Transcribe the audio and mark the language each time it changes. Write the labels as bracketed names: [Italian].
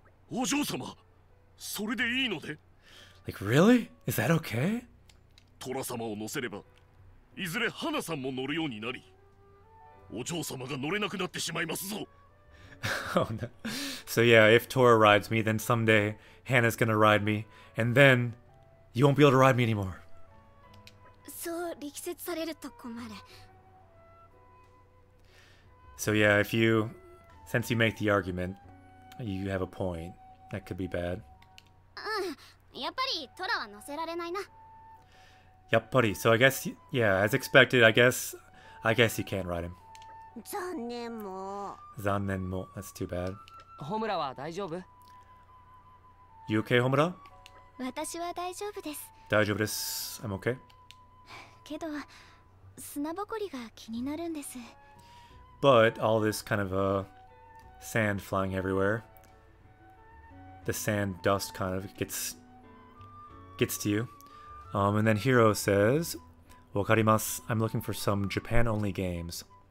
[Japanese] お嬢様, それでいいので? [English] Like, really? Is that okay? [Japanese] トラ様を乗せれば、いずれ花さんも乗るようになり、お嬢様が乗れなくなってしまいますぞ。 [English] Oh, no. So yeah, if Tora rides me, then someday Hannah's gonna ride me, and then you won't be able to ride me anymore. [Japanese] そう力説されると困る。 [English] So yeah, since you make the argument, you have a point. That could be bad. [Japanese] やっぱりトラは乗せられないな。やっぱり。 [English] So I guess, yeah, as expected, I guess you can't ride him. [Japanese] 残念も。残念も。 [English] That's too bad. [Japanese] ホムラは大丈夫? [English] You okay, ホムラ? [Japanese] 私は大丈夫です。大丈夫です。 [English] I'm okay. [Japanese] けど、砂ぼこりが気になるんです。 [English] But all this kind of sand flying everywhere, the sand dust kind of gets to you. And then Hiro says, [Japanese] Wakarimasu, [English] I'm looking for some Japan-only games.